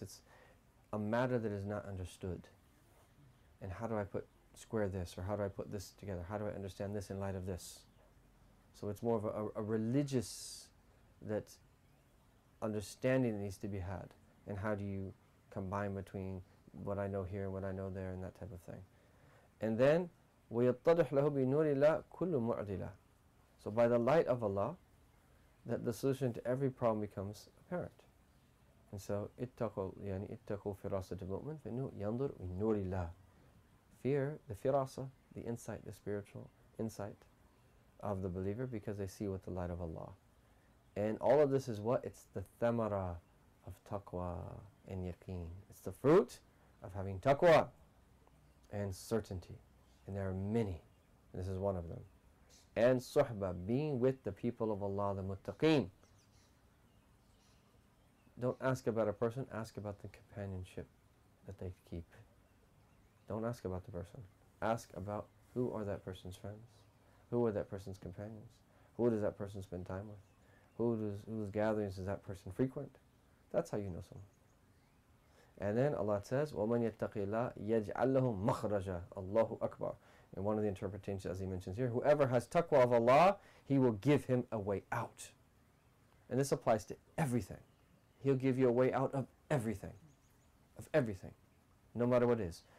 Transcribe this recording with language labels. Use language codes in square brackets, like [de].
[en] It's a matter that is not understood. And how do I put square this, or how do I put this together? How do I understand this in light of this? So it's more of a religious that understanding needs to be had, and how do you combine between what I know here and what I know there and that type of thing. And then [ar] وَيَتَّضِحْ لَهُ بِنُورِ اللَّهِ كُلُّ مُعْدِلَةٍ. [en] So by the light of Allah, that the solution to every problem becomes apparent. And so [ar] اتَّقُوا فِرَاسَةِ الْمُؤْمِنْ فَإِنُّ يَنْظُرْ بِنُورِ اللَّهِ. [en] Fear the firasa, the insight, the spiritual insight of the believer, because they see with the light of Allah. And all of this is what? It's the thamara of taqwa and yaqeen. It's the fruit of having taqwa and certainty. And there are many. This is one of them. And suhbah, being with the people of Allah, the muttaqeen. Don't ask about a person, ask about the companionship that they keep. Don't ask about the person. Ask about who are that person's friends. Who are that person's companions? Who does that person spend time with? Whose gatherings does that person frequent? That's how you know someone. And then Allah says, [ar] وَمَنْ يَتَّقِ اللَّهِ يَجْعَلْ لَهُمْ مَخْرَجًا. Allahu Akbar. [en] And one of the interpretations, as he mentions here, whoever has taqwa of Allah, he will give him a way out. And this applies to everything. He'll give you a way out of everything. Of everything. No matter what it is.